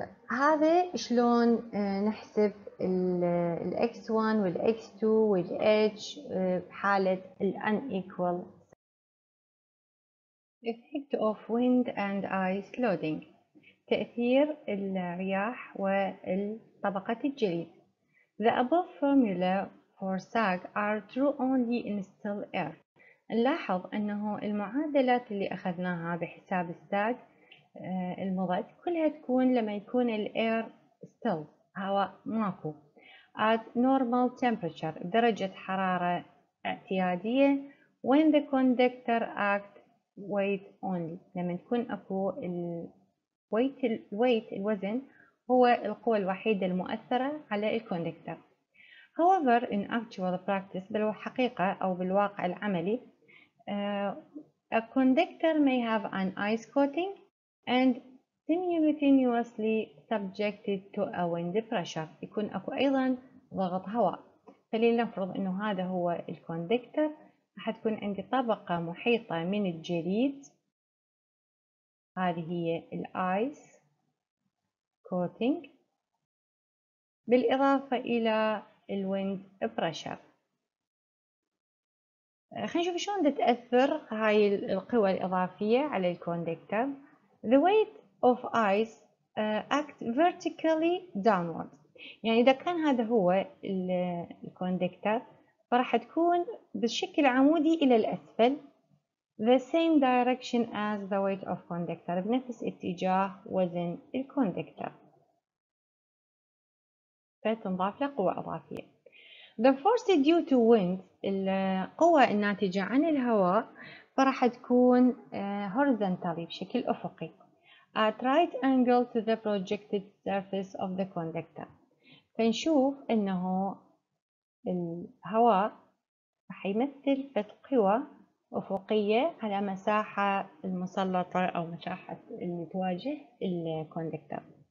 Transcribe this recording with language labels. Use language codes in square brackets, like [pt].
[ar] هذا شلون نحسب الـ X1 والـ X2 والـ H بحالة الـ [en] unequal effect of wind and ice loading، [ar] تأثير الرياح والطبقة الجليد. [en] The above formula or sag are true only in still air. [ar] نلاحظ أنه المعادلات اللي أخذناها بحساب sag المضاد كلها تكون لما يكون الاير still هواء ماكو [en] at normal temperature [ar] درجة حرارة اعتيادية [en] when the conductor act weight only [ar] لما تكون أكو الويت الوزن هو القوة الوحيدة المؤثرة على الكوندكتر. [en] However, in actual practice, [ar] بالحقيقة أو بالواقع العملي, [en] a conductor may have an ice coating and simultaneously subjected to a wind pressure. [ar] يكون أكو أيضا ضغط هواء. فلنفرض إنه هذا هو الكوندكتر. حتكون عندي طبقة محيطة من الجليد. هذه هي الآيس. [en] Coating, [ar] بالإضافة إلى [en] الwind pressure. [ar] خلينا نشوف شلون تأثر هاي القوى الإضافية على الكوندكتر. [en] The weight of ice act vertically downward. [ar] يعني إذا كان هذا هو الكوندكتر فراح تكون بالشكل عمودي إلى الأسفل. [en] The same direction as the weight of conductor. [ar] بنفس اتجاه وزن الكوندكتر. فتنضاف له قوة إضافية. [en] The force due to wind [ar] القوة الناتجة عن الهواء فراح تكون [en] horizontally [ar] بشكل أفقي [en] at right angle to the projected surface of the conductor. [ar] فنشوف أنه الهواء راح يمثل فت قوة أفقية على مساحة المسلطة أو مساحة اللي تواجه الكوندكتر.